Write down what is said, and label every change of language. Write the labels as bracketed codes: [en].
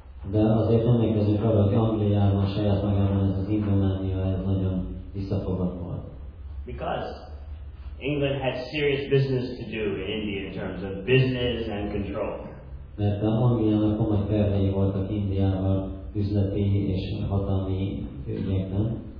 [hu] De azért emlékezünk arra, hogy Angliában saját magában ez az indománia, ez nagyon visszafogott volt. [en] Because England had serious business to do in India in terms of business and control. [hu] Mert Angliának komoly tervei voltak Indiával üzleti és hatalmi ügyekben.